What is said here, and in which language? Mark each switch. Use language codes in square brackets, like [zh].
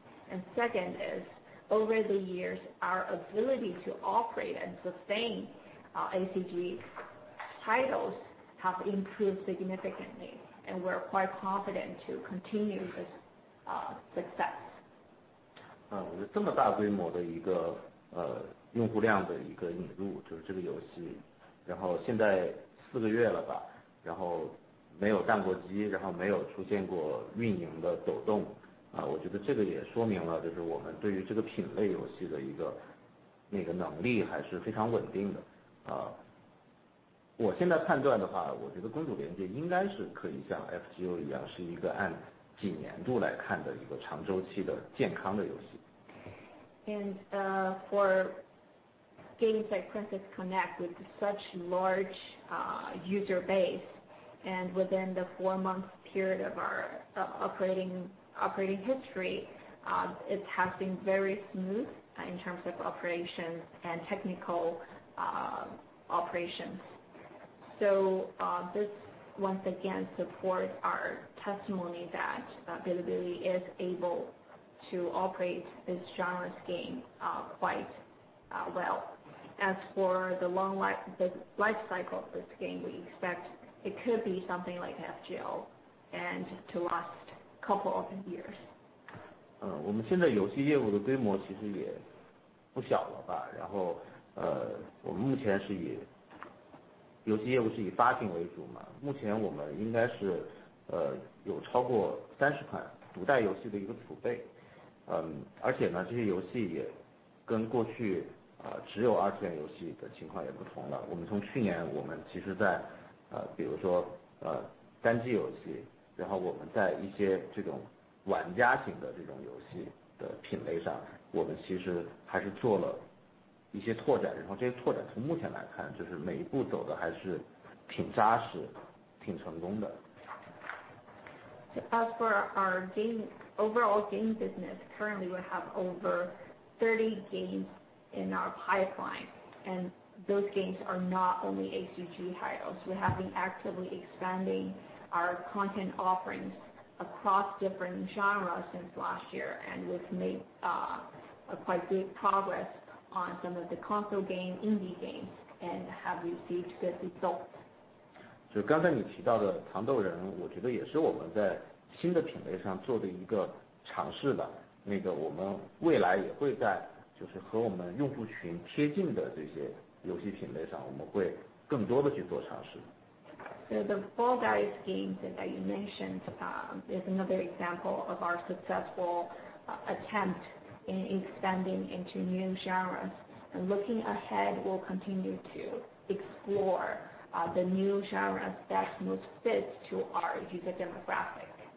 [en] And second is, over the years, our ability to operate and sustain ACG titles have improved significantly. And we're quite confident to continue this success. [zh] 我觉得这么大规模的一个用户量的一个引入，就是这个游戏，然后现在4个月了吧，然后没有宕过机，然后没有出现过运营的抖动，我觉得这个也说明了，就是我们对于这个品类游戏的一个那个能力还是非常稳定的，我现在判断的话，我觉得公主连接应该是可以像 FGO 一样，是一个按几年度来看的一个长周期的健康的游戏。 [en] And for games like Princess Connect with such large user base, and within the 4 month period of our operating history, it has been very smooth in terms of operations and technical operations. So this once again supports our testimony that Bilibili is able to operate this genre's game quite well. As for the long life cycle of this game, we expect it could be something like FGO and to last a couple of years. [zh] 我们现在游戏业务的规模其实也不小了吧，然后我们目前是以游戏业务是以发行为主嘛，目前我们应该是有超过30款独代游戏的一个储备，而且呢这些游戏也跟过去只有二次元游戏的情况也不同了，我们从去年我们其实在比如说单机游戏，然后我们在一些这种玩家型的这种游戏的品类上我们其实还是做了一些拓展，然后这些拓展从目前来看就是每一步走的还是挺扎实挺成功的。 [en] So as for our overall game business, currently we have over 30 games in our pipeline, and those games are not only ACG titles. We have been actively expanding our content offerings across different genres since last year, and we've made quite good progress on some of the console game, indie games, and have received good results. [zh] 就刚才你提到的糖豆人，我觉得也是我们在新的品类上做的一个尝试吧。那个我们未来也会在就是和我们用户群贴近的这些游戏品类上，我们会更多的去做尝试。 [en] So the Fall Guys game that you mentioned is another example of our successful attempt in expanding into new genres. And looking ahead, we'll continue to explore the new genres that most fit to our user demographic.